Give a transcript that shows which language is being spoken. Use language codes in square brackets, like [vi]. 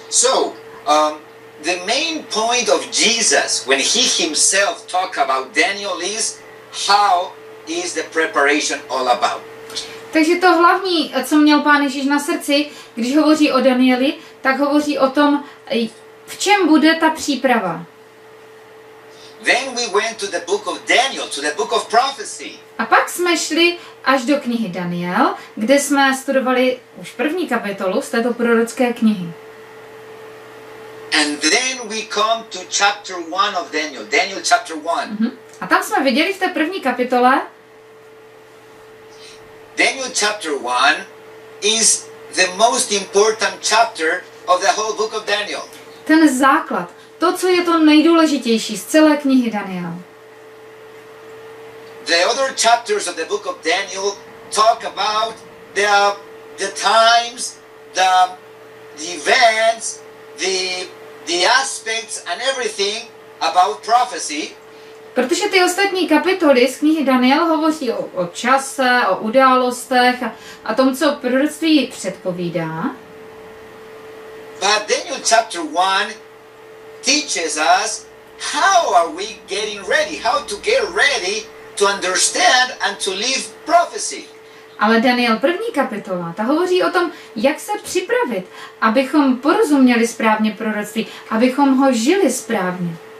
[en] So, the main point of Jesus when he himself talk about Daniel is how is the preparation all about. [cs] Takže to hlavní, co měl Pán Ježíš na srdci, když hovoří o Danieli, tak hovoří o tom, v čem bude ta příprava. [en] Then we went to the book of Daniel, to the book of prophecy. [cs] A pak jsme šli až do knihy Daniel, kde jsme studovali už první kapitolu z této prorocké knihy. [en] And And then we come to chapter 1 of Daniel. Daniel chapter 1. [cs] A tam jsme viděli v té první kapitole. [en] Daniel chapter 1 is the most important chapter of the whole book of Daniel. [cs] Ten základ, to co je to nejdůležitější z celé knihy Daniel. [en] The other chapters of the book of Daniel talk about the times, the events, the aspects and everything about prophecy. [cs] Protože ty ostatní kapitoly z knihy Daniel hovoří o čase, o událostech a tom, co proroctví předpovídá. [en] But Daniel chapter 1 teaches us how are we getting ready, how to get ready to understand and to live prophecy. [cs] Ale Daniel první kapitola, ta hovoří o tom, jak se připravit, abychom porozuměli správně proroctví, abychom ho žili správně.